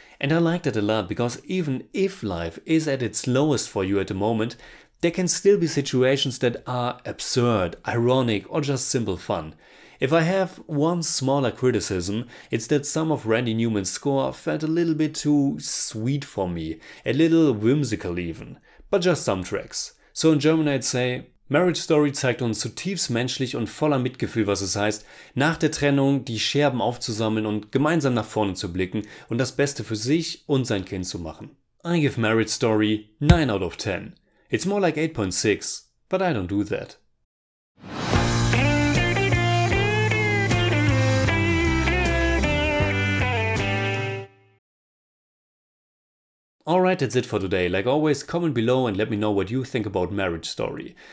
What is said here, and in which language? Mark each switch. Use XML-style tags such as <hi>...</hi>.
<en>And I like that a lot because even if life is at its lowest for you at the moment, there can still be situations that are absurd, ironic, or just simple fun. If I have one smaller criticism, it's that some of Randy Newman's score felt a little bit too sweet for me, a little whimsical even, but just some tracks. So in German I'd say,</en> <de>Marriage Story zeigt uns zutiefst menschlich und voller Mitgefühl, was es heißt, nach der Trennung die Scherben aufzusammeln und gemeinsam nach vorne zu blicken und das Beste für sich und sein Kind zu machen.</de> <en>I give Marriage Story 9 out of 10. It's more like 8.6, but I don't do that. Alright, that's it for today. Like always, comment below and let me know what you think about Marriage Story.</en>